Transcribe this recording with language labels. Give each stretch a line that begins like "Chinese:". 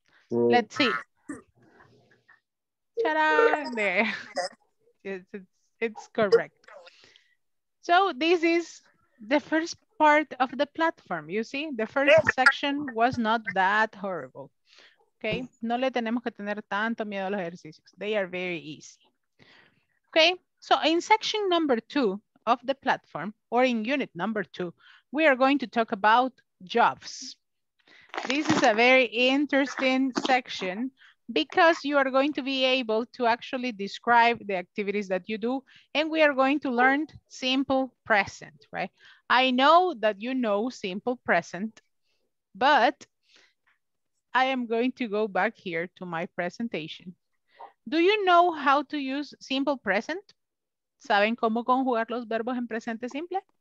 English: Let's see. Ta-da! There. It's correct. So this is the first part of the platform. You see, the first section was not that horrible. Okay.
Spanish: No le tenemos que tener tanto miedo a los ejercicios.
English: They are very easy. Okay. So in section number two of the platform, or in unit number two, we are going to talk about jobs. This is a very interesting section, because you are going to be able to actually describe the activities that you do, and we are going to learn simple present, right? I know that you know simple present, but I am going to go back here to my presentation. Do you know how to use simple present?
Spanish: ¿Saben cómo conjugar los verbos en presente simple?